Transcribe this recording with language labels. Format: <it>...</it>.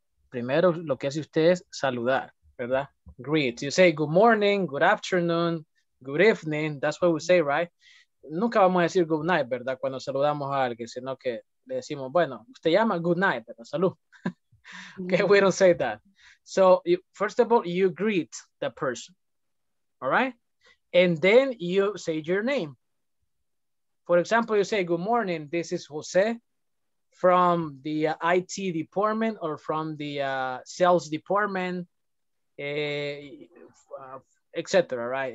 <es>Primero, lo que hace usted es saludar, ¿verdad?</es> <en>Greet. You say good morning, good afternoon, good evening. That's what we say, right?</en> <es>Nunca vamos a decir</es> <en>good night, ¿verdad?</en> <es>Cuando saludamos a alguien, sino que le decimos, bueno, usted llama</es> <en>good night,</en> <es>¿verdad?</es> <en>Salud. Okay, we don't say that. So, you, first of all, you greet the person, all right? And then you say your name. For example, you say, good morning, this is Jose from the IT department or from the sales department, et cetera, right?</en>